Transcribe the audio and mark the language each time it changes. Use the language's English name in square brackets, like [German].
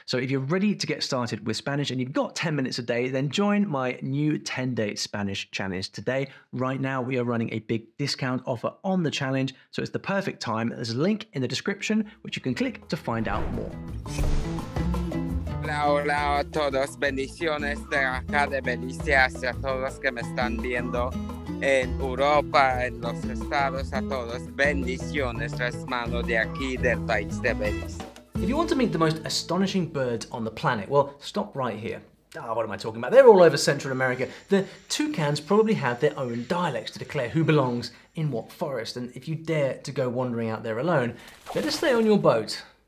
[English] So if you're ready to get started with Spanish and you've got 10 minutes a day, then join my new 10-day Spanish challenge today. Right now, we are running a big discount offer on the challenge, so it's the perfect time. There's a link in the description, which you can click to find out more. [Spanish] Hola, hola a todos. Bendiciones de acá de Belice hacia todos que me están viendo en Europa, en los estados, a todos. Bendiciones, hermano, de aquí, del país de Belice. [English] If you want to meet the most astonishing birds on the planet, well, stop right here. Ah, what am I talking about? They're all over Central America. The toucans probably have their own dialects to declare who belongs in what forest. And if you dare to go wandering out there alone, better stay on your boat.